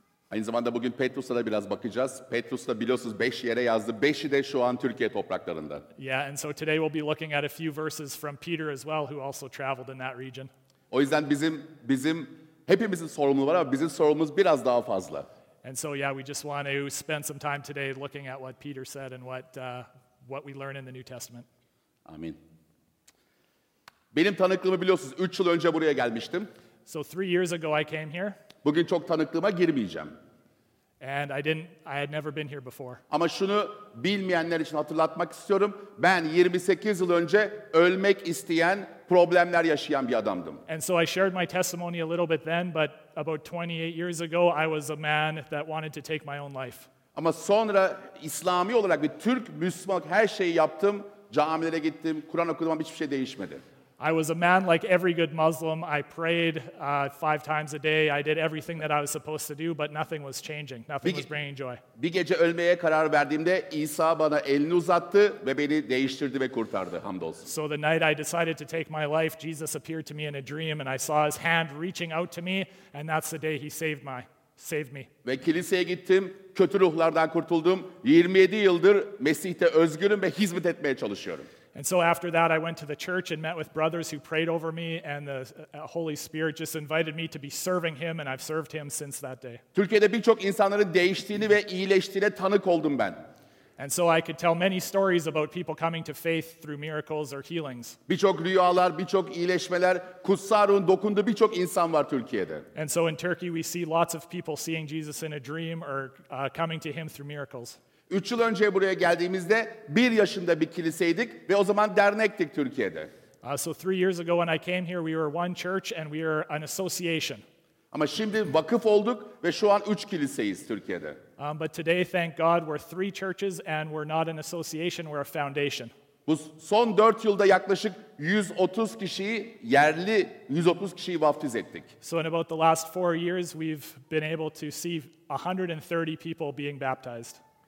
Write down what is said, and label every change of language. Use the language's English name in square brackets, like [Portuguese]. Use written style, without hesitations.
[Turkish] Aynı zamanda bugün Petrus'a da biraz bakacağız. Petrus da biliyorsunuz 5 yere yazdı. 5'i de şu an Türkiye topraklarında. [English] Yeah, and so today we'll be looking at a few verses from Peter as well, who also traveled in that region. [Turkish] O yüzden bizim hepimizin sorumluluğu var ama bizim sorumluz biraz daha fazla. [English] And so yeah, we just want to spend some time today looking at what Peter said and what we learn in the New Testament. [Turkish] Amin. Benim tanıklığımı biliyorsunuz 3 yıl önce buraya gelmiştim. [English] So 3 years ago I came here. [Turkish] Bugün çok tanıklığıma girmeyeceğim. [English] And I had never been here before. [Turkish] Ama şunu bilmeyenler için hatırlatmak istiyorum. Ben 28 yıl önce ölmek isteyen, problemler yaşayan bir adamdım. [English] And so I shared my testimony a little bit then, but about 28 years ago I was a man that wanted to take my own life. [Turkish] Ama sonra İslami olarak bir Türk Müslüman her şeyi yaptım. Camilere gittim, Kur'an okudum ama hiçbir şey değişmedi. [English] I was a man like every good Muslim. I prayed 5 times a day. I did everything that I was supposed to do, but nothing was changing. Nothing was bringing joy. [Turkish] Bir gece ölmeye karar verdiğimde İsa bana elini uzattı ve beni değiştirdi ve kurtardı. Hamdolsun. [English] So the night I decided to take my life, Jesus appeared to me in a dream and I saw his hand reaching out to me, and that's the day he saved me. [Turkish] Ve kiliseye gittim. Kötü ruhlardan kurtuldum. 27 yıldır Mesih'te özgürüm ve hizmet etmeye çalışıyorum. [English] And so after that, I went to the church and met with brothers who prayed over me, and the Holy Spirit just invited me to be serving him, and I've served him since that day. [Turkish] Türkiye'de birçok insanların değiştiğini ve iyileştiğine tanık oldum ben. [English] And so I could tell many stories about people coming to faith through miracles or healings. [Turkish] Birçok rüyalar, birçok iyileşmeler, kutsal ruhun dokunduğu birçok insan var Türkiye'de. [English] And so in Turkey, we see lots of people seeing Jesus in a dream or coming to him through miracles. [Turkish] 3 yıl önce buraya geldiğimizde 1 yaşında bir kiliseydik ve o zaman dernektik Türkiye'de. [English] So 3 years ago when I came here we were one church and we were an association. [Turkish] Ama şimdi vakıf olduk ve şu an 3 kiliseyiz Türkiye'de. [English] But today thank God we're 3 churches and we're not an association, we're a foundation. [Turkish] Bu son 4 yılda yaklaşık 130 kişiyi yerli 130 kişiyi vaftiz ettik. [English] So in about the last 4 years we've been able to see 130 people being baptized.